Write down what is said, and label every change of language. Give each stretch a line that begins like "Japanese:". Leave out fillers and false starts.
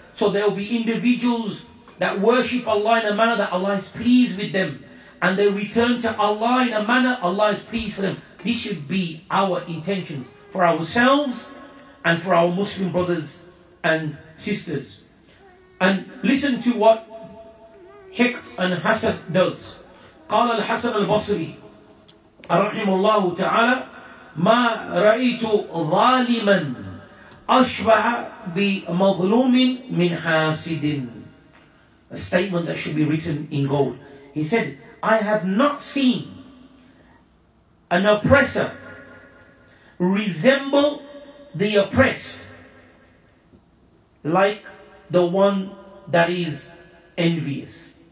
English: So there will be individuals that worship Allah in a manner that Allah is pleased with them. And they return to Allah in a manner Allah is pleased for them. This should be our intention for ourselves and for our Muslim brothers and sisters. And listen to what Hiqd and Hasad does.
Arabic: قال الحسن البصري رحمه الله تعالى ما رأيت ظالما أشبه بمظلوم من حاسد.
English: A statement that should be written in gold. He said, I have not seen an oppressor resemble the oppressed like the one that is envious.